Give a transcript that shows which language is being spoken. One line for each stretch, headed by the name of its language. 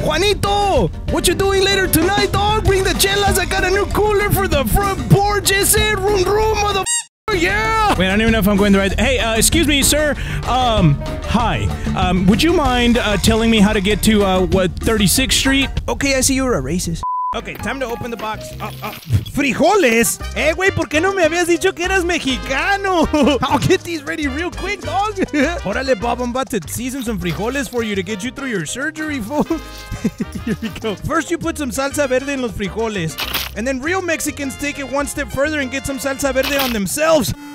English: Juanito, what you doing later tonight, dog? Bring the chelas. I got a new cooler for the front porch, is it? Room, motherfucker, yeah. Wait, I don't even know if I'm going the right. Hey, excuse me, sir. Hi. Would you mind telling me how to get to 36th Street? Okay, I see you're a racist. Okay, time to open the box.
Spanish: Frijoles? Hey, güey, ¿por qué no me habías dicho que eras mexicano?
English: I'll get these ready real quick, dog. Órale, Bob, I'm about to season some frijoles for you to get you through your surgery, fool. Here we go. First, you put some salsa verde in
Spanish: los frijoles.
English: And then real Mexicans take it one step further and get some salsa verde on themselves.